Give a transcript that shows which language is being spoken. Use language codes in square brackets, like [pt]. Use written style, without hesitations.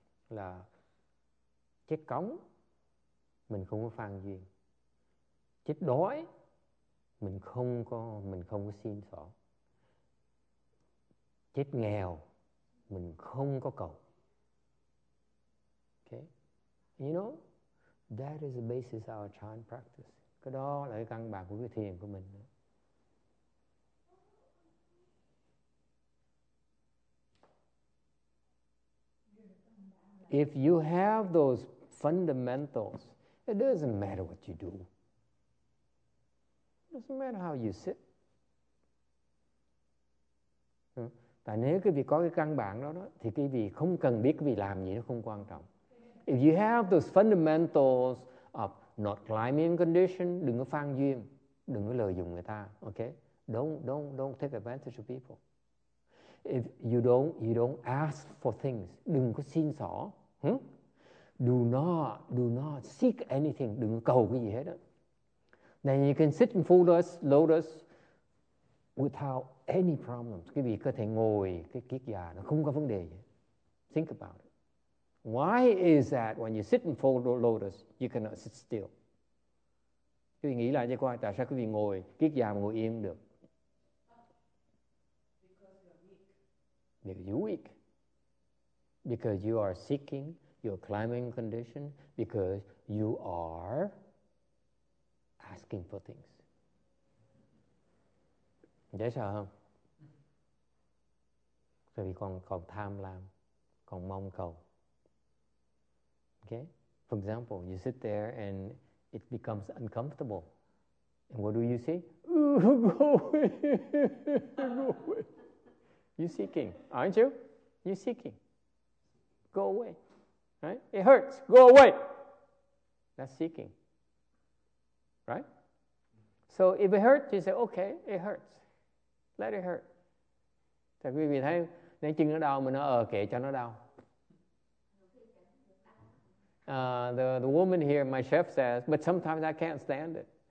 [vi] Là chết cống mình không có phan duyên, chết đói mình không có xin xỏ, chết nghèo mình không có cầu. [en] Okay, you know, that is the basis of our chan practice. [vi] Cái đó là cái căn bản của cái thiền của mình. [en] If you have those fundamentals, it doesn't matter what you do. It doesn't matter how you sit. [vi] Tại nếu cái vị có cái căn bản đó, thì cái vị không cần biết cái vị làm gì, nó không quan trọng. [en] If you have those fundamentals of not climbing condition, [vi] đừng có phan duyên, đừng có lợi dụng người ta, [en] okay? Don't take advantage of people. If you don't ask for things, [vi] đừng có xin xỏ. [en] Do not seek anything, [vi] đừng có cầu cái gì hết đó. [en] Then you can sit in full lotus without any problems. [vi] Cái vị có thể ngồi cái kiết già nó không có vấn đề gì. [en] Think about it. Why is that when you sit in full lotus, you cannot sit still? [vi] Quý vị nghĩ lại cho coi, tại sao quý vị ngồi, kiết già mà ngồi yên được? [en] Because you're weak. Because you are seeking your climbing condition, because you are asking for things. [vi] Dễ sợ không? Tại vì còn tham lam, còn mong cầu. [en] Okay? For example, you sit there and it becomes uncomfortable. And what do you see? Go away. You're seeking, aren't you? You're seeking. Go away. Right? It hurts. Go away. That's seeking. Right? So if it hurts, you say, okay, it hurts. Let it hurt. [vi] Thì quý vị thấy, nếu chân nó đau, mình nói, kệ cho nó đau. [en] The woman here, my chef says, but sometimes I can't stand it.